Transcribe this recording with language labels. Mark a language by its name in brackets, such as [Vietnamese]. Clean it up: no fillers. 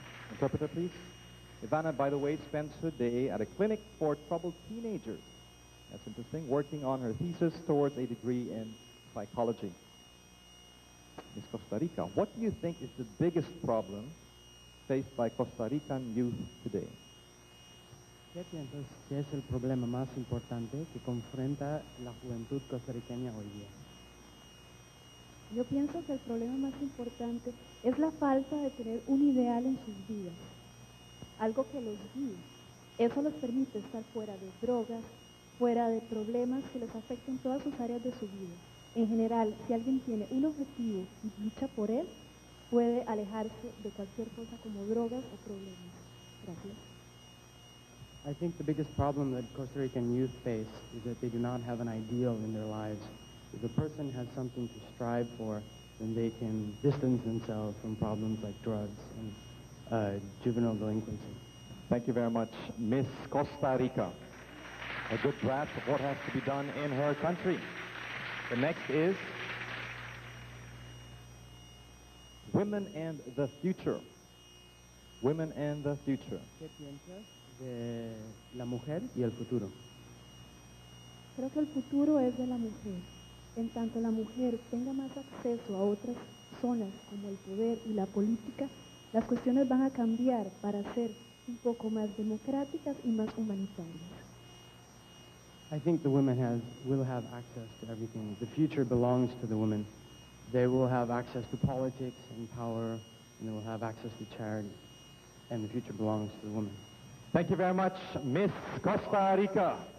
[English] Interpreter, please. Ivana, by the way, spends her day at a clinic for troubled teenagers. That's interesting. Working on her thesis towards a degree in psychology. Miss Costa Rica, what do you think is the biggest problem faced by Costa Rican youth today? [Spanish] ¿Qué piensas que es el problema más importante que confronta la juventud costarricana hoy día? Yo pienso que el problema más importante es la falta de tener un ideal en sus vidas, algo que los guíe. Eso les permite estar fuera de drogas, fuera de problemas que les afecten todas sus áreas de su vida. En general, si alguien tiene un objetivo y lucha por él, puede alejarse de cualquier cosa como drogas o problemas. Gracias. [English] I think the biggest problem that Costa Rican youth face is that they do not have an ideal in their lives. If a person has something to strive for, then they can distance themselves from problems like drugs and juvenile delinquency. Thank you very much, Miss Costa Rica. A good grasp of what has to be done in her country. The next is Women and the Future. Women and the Future. [Spanish] ¿Qué piensas de la mujer y el futuro? Creo que el futuro es de la mujer. En tanto la mujer tenga más acceso a otras zonas como el poder y la política, las cuestiones van a cambiar para ser un poco más democráticas y más humanitarias. [English] I think the women will have access to everything. The future belongs to the women. They will have access to politics and power, and they will have access to charity. And the future belongs to the women. Thank you very much, Miss Costa Rica.